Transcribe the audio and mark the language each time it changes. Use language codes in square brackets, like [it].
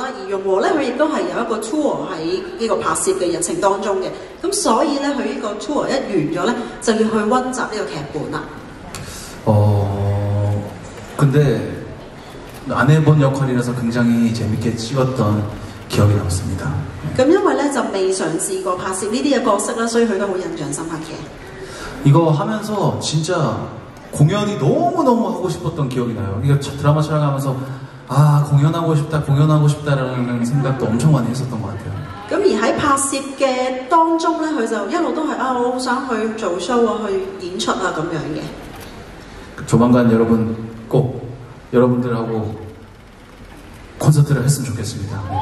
[yue] 咁如果大家有睇過咧，都知道咧呢個劇集裏邊咧係有好多嘅對白啦，而容和咧佢亦都係有一個 tour 喺呢個拍攝嘅日程當中嘅。咁所以咧佢呢個 tour 一完咗咧，就要去温習呢個劇本啦。哦， [ko] 근데 안 해본 역할이라서 굉장히 재밌게 찍었던 기억이 남습니다. [yue] 咁因為咧就未嘗試過拍攝呢啲嘅角色啦，所以佢都好印象深刻嘅。 [ko] 이거 하면서 진짜 공연이 너무너무 하고 싶었던 기억이 나요. 드라마 촬영하면서 아 공연하고 싶다 공연하고 싶다라는 생각도 엄청 많이 했었던 것 같아요. 그럼 [yue] 而喺拍摄嘅当中咧，佢就一路都系啊，我好想去做show啊，去演出啊咁样嘅。 [ko] 조만간 여러분 꼭 여러분들하고 콘서트를 했으면 좋겠습니다.